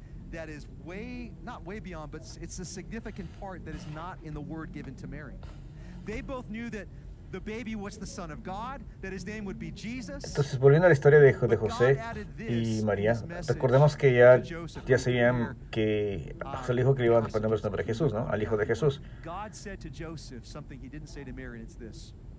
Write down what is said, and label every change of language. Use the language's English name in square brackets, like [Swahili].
[English] That is way, not way beyond, but it's a significant part that is not in the word given to Mary. They both knew that the baby was the son of God, that his name would be Jesus. [Spanish] Entonces, volviendo a la historia de José y María, recordemos que ya sabían que el hijo que le iban a poner el nombre de Jesús, ¿no? Al hijo de Jesús. [English] God said to Joseph something he didn't say to Mary, and it's this.